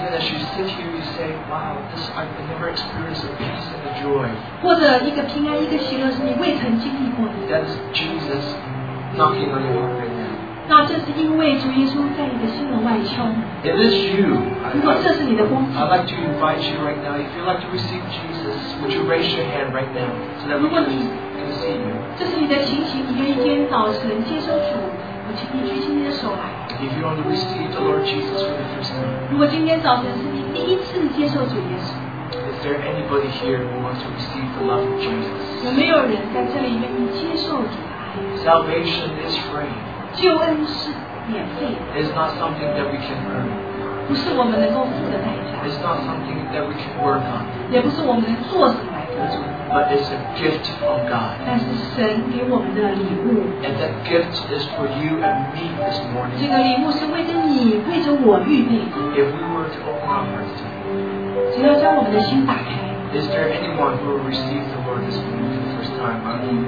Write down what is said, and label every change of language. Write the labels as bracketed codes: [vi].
[en] you sit here you say, wow, this I've never experienced a peace and a joy, that is Jesus knocking on your heart right now. It is you. I'd like to invite you right now. If you'd like to receive Jesus, would you raise your hand right now so that we can see you? [zh] 这是你的情形，你愿意今天早晨接受主，我请你举起你的手来。 [en] If you want to receive the Lord Jesus for the first time, [zh] 如果今天早晨是你第一次接受主耶稣。 [en] Is there anybody here who wants to receive the love of Jesus? [zh] 有没有人在这里愿意接受主？ [en] Salvation is free. [zh] 救恩是免费的。 [en] It's not something that we can earn. [zh] 不是我们能够付的代价。 [en] It's not something that we can work on. [zh] 也不是我们能做什么来得。 [en] But it's a gift from God. [zh] 但是神给我们的礼物。 [en] And that gift is for you and me this morning. [zh] 这个礼物是为着你，为着我预备的。 [en] If we were to open our hearts to you, [zh] 只要将我们的心打开。 [en] Is there anyone who will receive the word this morning?